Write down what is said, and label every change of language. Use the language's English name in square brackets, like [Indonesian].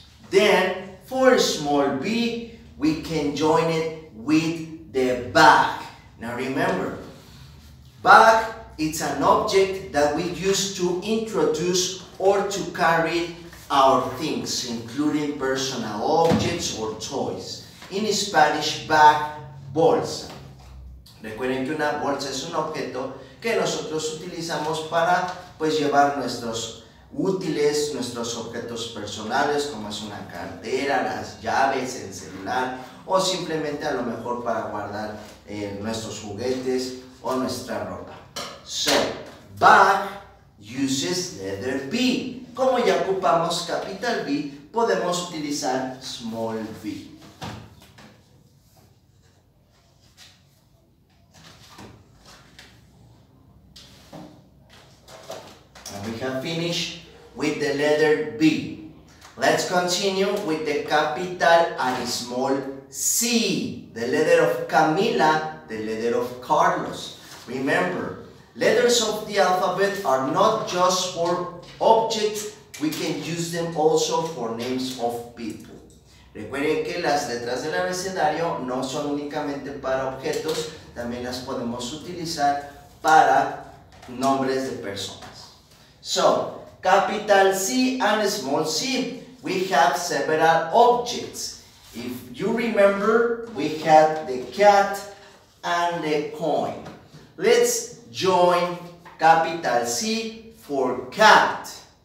[English] Then, for small b, we can join it with the bag. Now remember, bag, it's an object that we use to introduce or to carry our things, including personal objects or toys. In Spanish, bag, bolsa. [Spanish] Recuerden que una bolsa es un objeto que nosotros utilizamos para, pues, llevar nuestros útiles, nuestros objetos personales, como es una cartera, las llaves, el celular, o simplemente a lo mejor para guardar nuestros juguetes o nuestra ropa. [English] So, bag uses letter B. [Spanish] Como ya ocupamos capital B, podemos utilizar small b. [English] And we have finished with the letter B. Let's continue with the capital and small C. The letter of Camila, the letter of Carlos. Remember, letters of the alphabet are not just for objects, we can use them also for names of people. [Spanish] Recuerden que las letras del abecedario no son únicamente para objetos, también las podemos utilizar para nombres de personas. [English] So, capital C and small c, we have several objects. If you remember, we had the cat and the coin. Let's join capital C for cat.